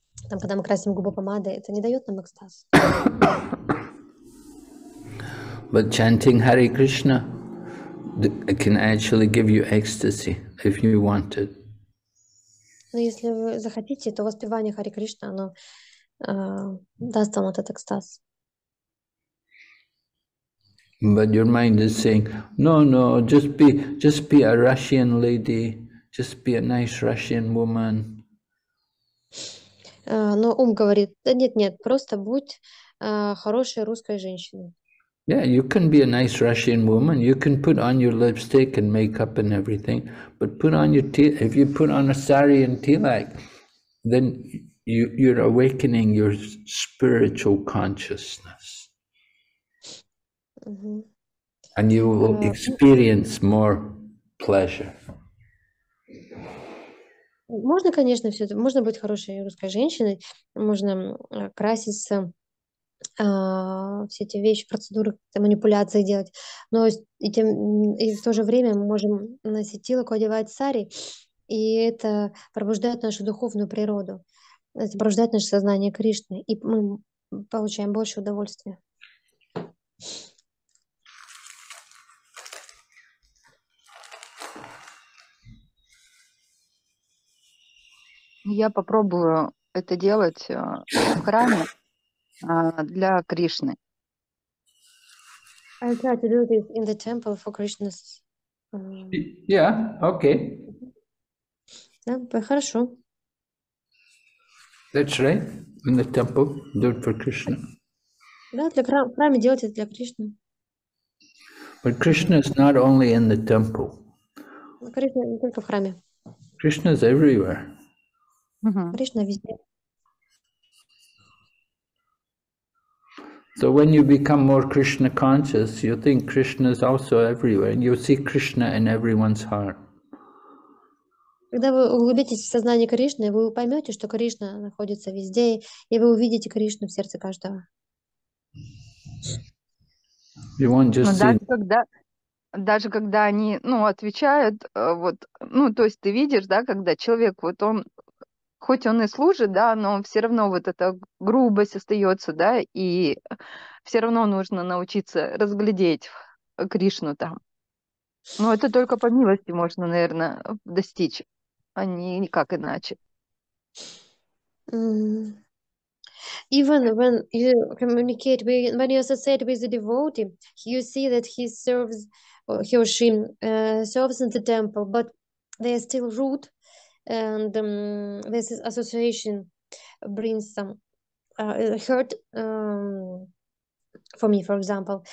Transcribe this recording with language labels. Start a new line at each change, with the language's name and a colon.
Russian: Там, когда мы красим губы помадой, это не дает нам экстаз.
English: But chanting Hare Krishna can actually give you ecstasy if you want it.
Russian: Но если вы захотите, то воспевание Харе Кришна, оно даст вам этот экстаз.
English: But your mind is saying, no, no, just be a Russian lady, just be a nice Russian woman.
Russian: Но ум говорит, да нет, нет, просто будь хорошей русской женщиной.
English: Yeah, you can be a nice Russian woman. You can put on your lipstick and makeup and everything, but put on your if you put on a sari and tilak, then you're awakening your spiritual consciousness. Mm-hmm. And you will experience more pleasure.
Russian: Можно, конечно, все это. Можно быть хорошей русской женщиной, можно краситься, все эти вещи, процедуры, манипуляции делать. Но и в то же время мы можем носить тилаку, одевать сари, и это пробуждает нашу духовную природу, это пробуждает наше сознание Кришны, и мы получаем больше удовольствия. Я попробую это делать в храме для Кришны.
English: I try to do this in the temple for Krishna's. Yeah, okay.
Russian: Да, хорошо.
English: That's right. In the temple, do it for Krishna.
Russian: Да, для храма делать это для Кришны.
English: But Krishna is not only in the temple.
Russian: Кришна не только в храме.
English: Krishna is everywhere.
Russian: Кришна везде.
English: So when you become more Krishna conscious, you think Krishna is also everywhere, and you see Krishna in everyone's heart.
Russian: Когда вы углубитесь в сознание Кришны, вы поймете, что Кришна находится везде, и вы увидите Кришну в сердце каждого.
English: You won't just see.
Russian: Даже когда они, ну, отвечают, вот, ну, то есть ты видишь, да, когда человек, вот он. Хоть он и служит, да, но все равно вот эта грубость остается, да, и все равно нужно научиться разглядеть Кришну там. Но это только по милости можно, наверное, достичь, а не никак иначе.
English: Even when you communicate with, when you associate with the devotee, you see that he serves, he or she serves in the temple, but they are still rude. And this association brings some hurt for me, for example.